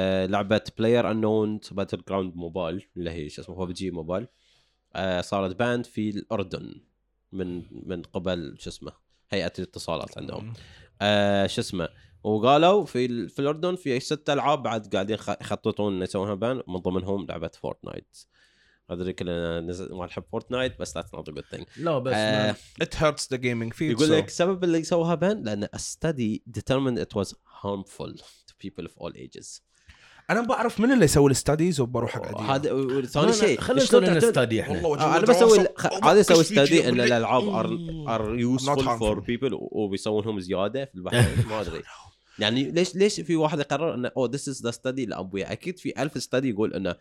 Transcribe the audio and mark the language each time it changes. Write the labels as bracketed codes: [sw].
[ar] لعبه بلاير انون باتل جراوند موبايل اللي هي شو اسمه ببجي موبايل صارت باند في الاردن من قبل شو اسمه هيئه الاتصالات عندهم شو اسمه وقالوا في الاردن في 6 العاب بعد قاعدين يخططون يسوونها بان من ضمنهم لعبه فورتنايت ادري كلنا ما نحب فورتنايت بس [en] that's not a good thing [ar] لا بس [en] it hurts the gaming field [ar] يقول لك سبب اللي سووها بان لان [en] a study determined it was harmful to people of all ages [ar] انا بعرف من اللي يسوي الستاديز وبروح اقعد هذا ثاني شيء خلينا نسوي الستادي احنا انا بسوي هذا يسوي ستادي ان الالعاب [en] are useful for people [ar] وبيسوونهم زياده في البحث ما ادري يعني ليش في واحد يقرر انه [en] او this is the study [ar] لابويا اكيد في ألف ستادي يقول انه